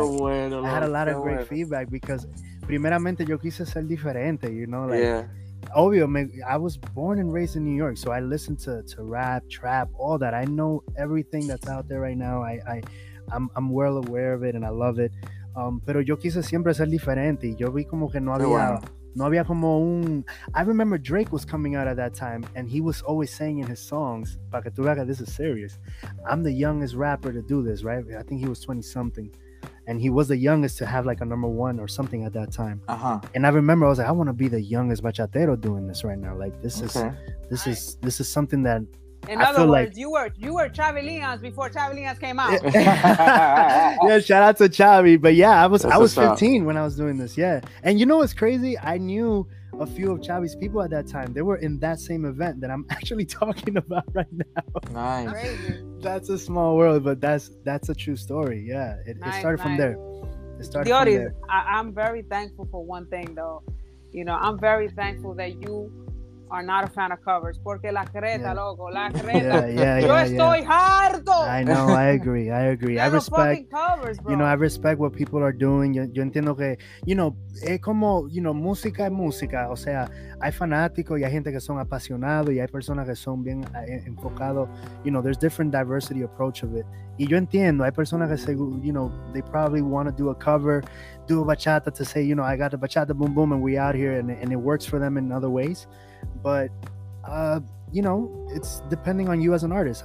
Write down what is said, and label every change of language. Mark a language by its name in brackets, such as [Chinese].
[English] I had a lot of great feedback because [Spanish] primeramente yo quise ser diferente, [English] you know? Like, yeah. [Spanish] Obvio, [English] I was born and raised in New York, so I listen to rap, trap, all that. I know everything that's out there right now. I'm well aware of it, and I love it. [Spanish] Pero yo quise siempre ser diferente. Yo vi como que no había como un... [English] I remember Drake was coming out at that time, and he was always saying in his songs, [Spanish] pa que tú veas que [English] this is serious. I'm the youngest rapper to do this, right? I think he was 20-something. And he was the youngest to have like a number one or something at that time. Uh-huh. And I remember I was like, I want to be the youngest bachatero doing this right now. Like this is something that. In I other feel words, like... you were Chavi Leons before Chavi Leons came out. Yeah, shout out to Chavi. But yeah, I was 15 when I was doing this. Yeah, and you know what's crazy? I knew a few of Chavi's people at that time. They were in that same event that I'm actually talking about right now. Nice. That's a small world, but that's a true story. Yeah, it started from there. I'm very thankful for one thing though. You know, I'm very thankful that you are not a fan of covers. [Spanish] Porque la creta, logo, la creta. Yo estoy harto. [English] I know, I agree. Yeah, I respect covers, bro. You know, I respect what people are doing. [Spanish] Yo entiendo que, [English] you know, [Spanish] es como, you know, música es música. O sea, hay fanáticos y hay gente que son apasionados y hay personas que son bien enfocados. [English] You know, there's different diversity approach of it. [Spanish] Y yo entiendo, hay personas que, [English] you know, they probably want to do a cover, do a bachata to say, you know, I got the bachata, boom, boom, and we out here. And it works for them in other ways. But, you know, it's depending on you as an artist.